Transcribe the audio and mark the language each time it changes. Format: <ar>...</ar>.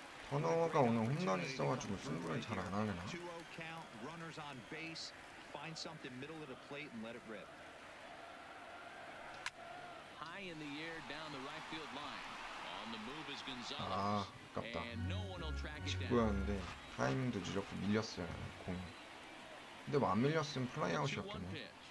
<ko>터너가 오늘 홈런이 있어 가지고 승부를 잘 안 하네요.</ko> <en>2 0 count. Runners on base. Find something middle of the plate and let it rip. High in the air down the right field line. On the move is Gonzalez.</en> <ko>아깝다. 직구였는데 타이밍도 늦었고 밀렸어요 공. 근데 뭐 안 밀렸으면 플라이아웃이었겠네.</ko>